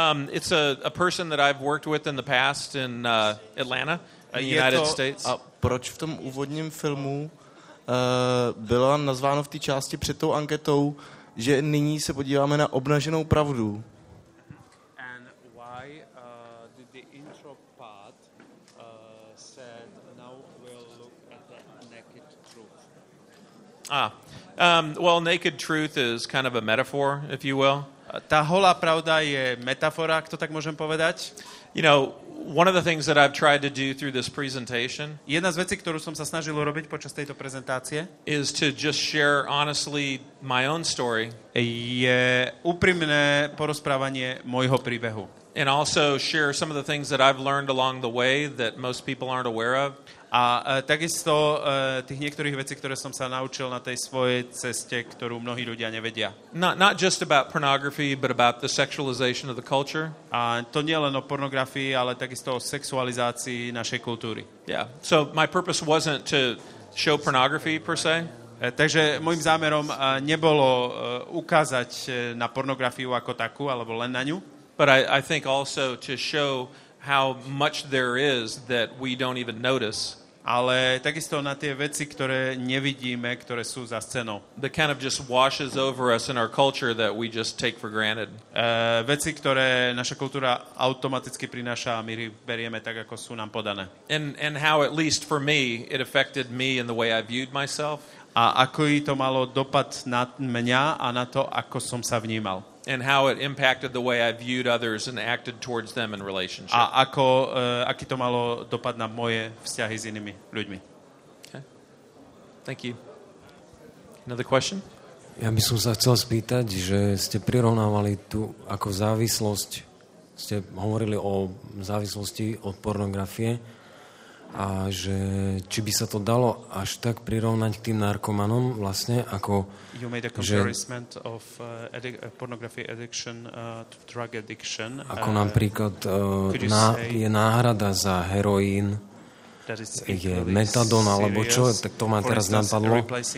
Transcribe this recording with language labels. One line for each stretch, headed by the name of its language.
English: It's a person that I've worked with in the past in Atlanta, in the United States.
Czech: A proč v tom úvodním filmu bylo nazváno v té části před tou anketou, že nyní se podíváme na obnaženou pravdu?
English: And why did the intro part said now we'll look at the naked truth? Well, naked truth is kind of a metaphor, if you will.
Slovak: Tá holá pravda je metafora, ak to tak môžem povedať.
English: You know, one of the things that I've tried to do through this presentation,
Slovak: jedna z vecí, ktorú som sa snažil urobiť počas tejto prezentácie,
English: is to just share honestly my own story,
Slovak: je úprimné porozprávanie môjho príbehu,
English: and also share some of the things that I've learned along the way that most people aren't aware of.
Slovak: A takisto tých niektorých vecí, ktoré som sa naučil na tej svojej ceste, ktorú mnohí ľudia nevedia.
English: Not just about pornography, but about the sexualization of the culture.
Slovak: A to nie len o pornografii, ale takisto o sexualizácii našej kultúry.
English: Yeah. So my purpose wasn't to show pornography per se.
Slovak: Takže môjim zámerom nebolo ukázať na pornografiu ako takú, alebo len na ňu.
English: But I think also to show how much there is that we don't even notice.
Slovak: Ale takisto na tie veci, ktoré nevidíme, ktoré sú za scénou.
English: That kind of just washes over us in our culture that we just take for granted.
Slovak: Veci, ktoré naša kultúra automaticky prináša a my berieme tak, ako sú nám podané.
English: And how at least for me it affected me in the way I viewed myself.
Slovak: A ako to malo dopad na mňa a na to, ako som sa vnímal.
English: And how it impacted the way I viewed others and acted towards them in relationship.
Slovak: A ako aký to malo dopad na moje vzťahy s inými ľuďmi.
English: Okay. Thank you. Another question?
Slovak: Ja by som sa chcel spýtať, že ste prirovnávali tu ako závislosť, ste hovorili o závislosti od pornografie a že či by sa to dalo až tak prirovnať k tým narkomanom vlastne ako...
English: You made a comparison of pornography addiction to drug addiction.
Slovak: Ako napríklad je náhrada za heroín, je metadón alebo čo, tak to ma teraz napadlo.